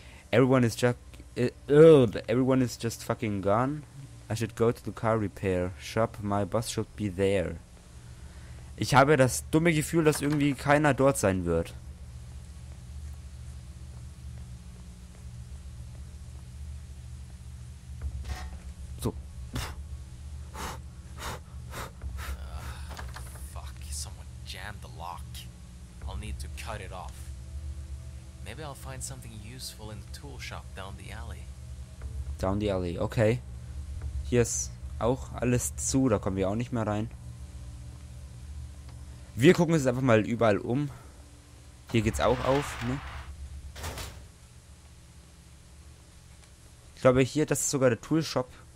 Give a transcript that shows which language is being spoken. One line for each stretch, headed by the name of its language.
English: Everyone is just fucking gone. I should go to the car repair shop. My boss should be there.
German: Ich habe das dumme Gefühl, dass irgendwie keiner dort sein wird. So.
English: Fuck, someone jammed the lock. I'll need to cut it off. Maybe I'll find something useful in the tool shop down the alley. Down the alley, okay.
German: Hier ist auch alles zu, da kommen wir auch nicht mehr rein. Wir gucken uns einfach mal überall um. Hier geht's auch auf, ne? Ich glaube, hier, das ist sogar der Tool Shop.